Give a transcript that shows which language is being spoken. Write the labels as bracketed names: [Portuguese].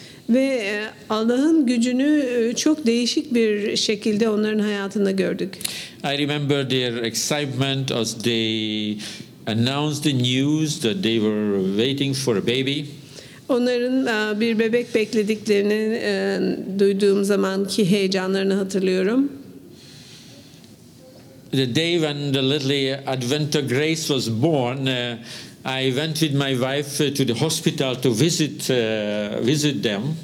[Turkish] Ve Allah'ın gücünü çok değişik bir şekilde onların hayatında gördük. [English] I remember their excitement as they announced the news that they were waiting for a baby. [Turkish] Onların bir bebek beklediklerini duyduğum zamanki heyecanlarını hatırlıyorum. [English] The day when the little Adventa Grace was born, I went with my wife to the hospital to visit them.